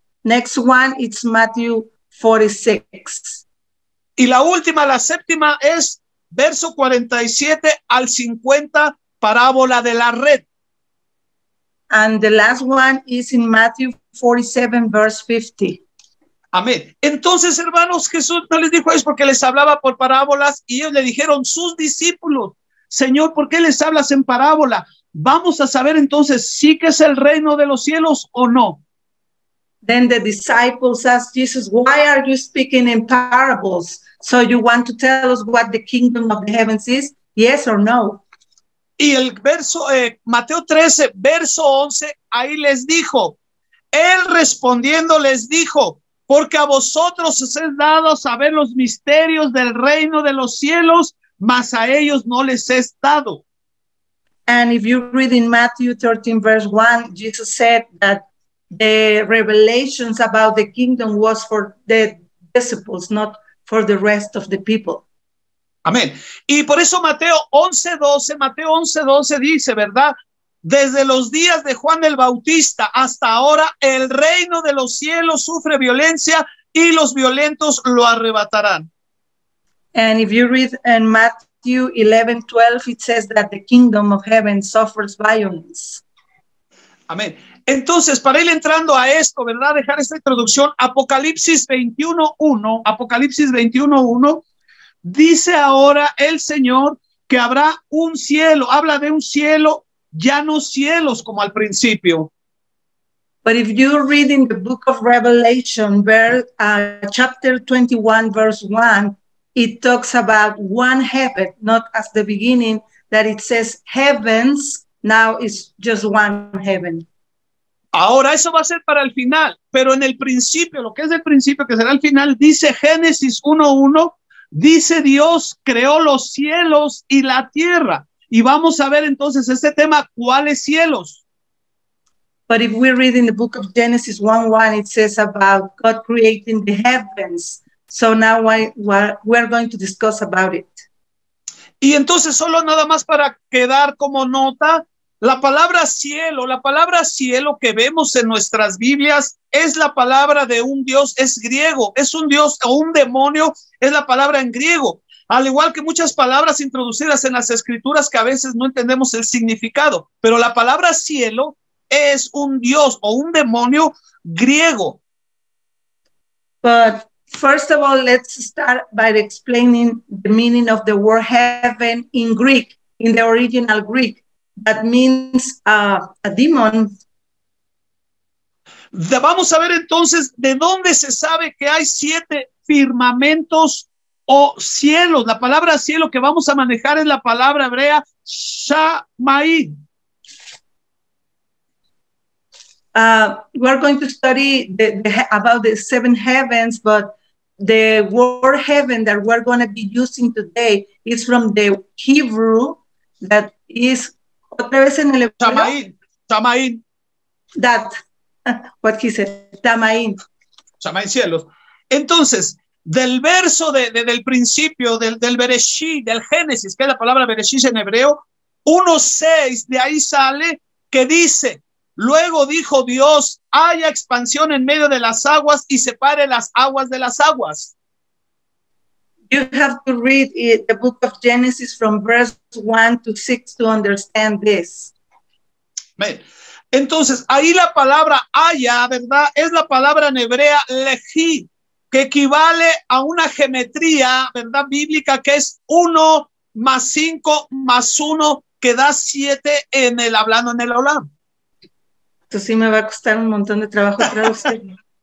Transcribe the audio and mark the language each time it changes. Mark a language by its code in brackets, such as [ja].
[en] Next one is Matthew 46. [es] Y la última, la séptima, es verso 47 al 50, parábola de la red. [en] And the last one is in Matthew 47, verse 50. [es] Amén. Entonces, hermanos, Jesús no les dijo eso porque les hablaba por parábolas, y ellos le dijeron, sus discípulos, Señor, ¿por qué les hablas en parábola? Vamos a saber entonces si que es el reino de los cielos o no. [en] Then the disciples asked Jesus, why are you speaking in parables? So you want to tell us what the kingdom of the heavens is, yes or no? [es] Y el verso, Mateo 13, verso 11, ahí les dijo, él respondiendo les dijo, porque a vosotros os es dado saber los misterios del reino de los cielos, mas a ellos no les es dado. [en] And if you read in Matthew 13, verse 1, Jesus said that the revelations about the kingdom was for the disciples, not for the rest of the people. [es] Amén. Y por eso Mateo 11, 12 dice, ¿verdad? Desde los días de Juan el Bautista hasta ahora, el reino de los cielos sufre violencia y los violentos lo arrebatarán. [en] And if you read in Matthew 11:12, it says that the kingdom of heaven suffers violence. [es] Amén. Entonces, para ir entrando a esto, ¿verdad? Dejar esta introducción, Apocalipsis 21:1 dice ahora el Señor que habrá un cielo, habla de un cielo ya no cielos como al principio. [en] But if you read in the book of Revelation, chapter 21, verse 1, it talks about one heaven, not as the beginning that it says heavens, now it's just one heaven. [es] Ahora eso va a ser para el final, pero en el principio, lo que es el principio, que será el final, dice Génesis 1:1, dice Dios creó los cielos y la tierra. Y vamos a ver entonces este tema, ¿cuáles cielos? [en] But if we read in the book of Genesis 1:1, it says about God creating the heavens. So now we're going to discuss about it. [es] Y entonces solo nada más para quedar como nota, la palabra cielo que vemos en nuestras Biblias es la palabra de un dios, es griego, es un dios o un demonio, es la palabra en griego. Al igual que muchas palabras introducidas en las escrituras que a veces no entendemos el significado, pero la palabra cielo es un dios o un demonio griego. [en] But first of all, let's start by explaining the meaning of the word heaven in Greek, in the original Greek. That means a demon. [es] Vamos a ver entonces de dónde se sabe que hay siete firmamentos o cielos. La palabra cielo que vamos a manejar es la palabra hebrea shamayim. [en] We're going to study about the seven heavens, but the word heaven that we're going to be using today is from the Hebrew, that is [es] otra vez en el [he] shamayim. Shamayim. [en] That what he said. Shamayim. [he] Shamayim, cielos. [es] Entonces, del verso del principio del Bereshit, del Génesis, que es la palabra Bereshit en hebreo, 1:6, de ahí sale que dice: luego dijo Dios, haya expansión en medio de las aguas y separe las aguas de las aguas. [en] You have to read the book of Genesis from verse 1-6 to understand this. [es] Entonces, ahí la palabra haya, ¿verdad? Es la palabra en hebrea lehi, que equivale a una geometría, ¿verdad? Bíblica, que es 1 + 5 + 1, que da 7 en el hablando en el olam. Esto sí me va a costar un montón de trabajo traducir.